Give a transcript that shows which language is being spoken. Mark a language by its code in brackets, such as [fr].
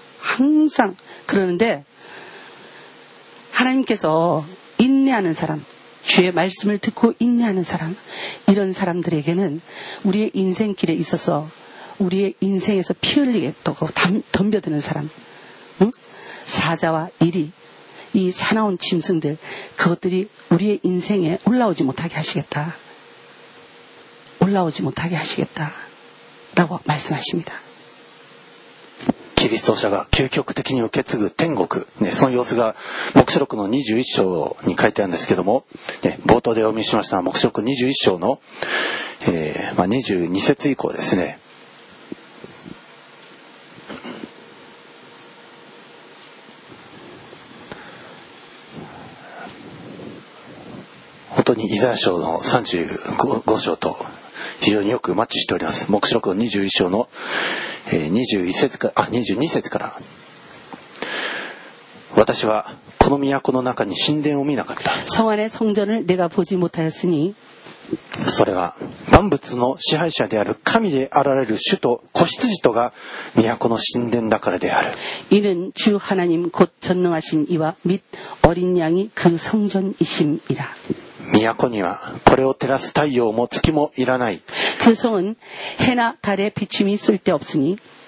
[ko] 항상 그러는데 하나님께서 인내하는 사람, 주의 말씀을 듣고 인내하는 사람, 이런 사람들에게는 우리의 인생길에 있어서 우리의 인생에서 피 흘리게 덤벼드는 사람, 응? 사자와 이리, 이 사나운 짐승들, 그것들이 우리의 인생에 올라오지 못하게 하시겠다. 올라오지 못하게 하시겠다. 라고 말씀하십니다. [ja] 그리스도자가 究極的に 受け継ぐ 天国, ね、 その様子が 黙示録の 21章に 書いてあるんですけども、 ね、 冒頭でお見せしました 黙示録 21章の、 まあ 22節以降ですね。本当にイザヤ書の 35章と 非常によくマッチしております。黙示録の 21章の 22節から、 私はこの都の中に神殿を見なかった。 [ko] 성안의 성전을 내가 보지 못하였으니 [ja] それは万物の支配者である神であられる主と子羊とが都の神殿だからである。 [ko] 이는 주 하나님 곧 전능하신 이와 및 어린 양이 그 성전이심이라. [ja] 都にはこれを照らす太陽も月もいらない。 [ko] 그 성은 해나 달에 비춤이 쓸데 없으니.